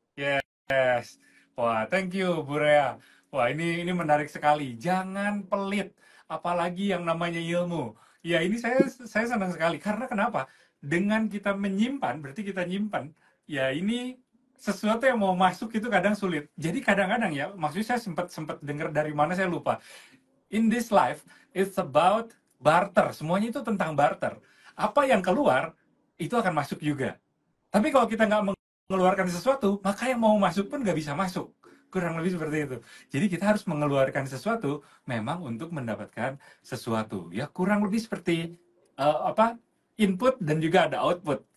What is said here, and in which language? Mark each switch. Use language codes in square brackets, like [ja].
[id] Yes. Wah, [en] thank you [id] Bu Rea. Wah, ini menarik sekali. Jangan pelit, apalagi yang namanya ilmu. Ya, ini saya senang sekali. Karena kenapa? Dengan kita menyimpan, berarti kita nyimpan, ya ini sesuatu yang mau masuk itu kadang sulit. Jadi kadang-kadang ya, maksudnya saya sempat dengar dari mana, saya lupa. [en] In this life, it's about barter. [id] Semuanya itu tentang barter. Apa yang keluar, itu akan masuk juga. Tapi kalau kita nggak mengeluarkan sesuatu, maka yang mau masuk pun nggak bisa masuk. Kurang lebih seperti itu. Jadi kita harus mengeluarkan sesuatu memang untuk mendapatkan sesuatu. Ya kurang lebih seperti input dan juga ada output.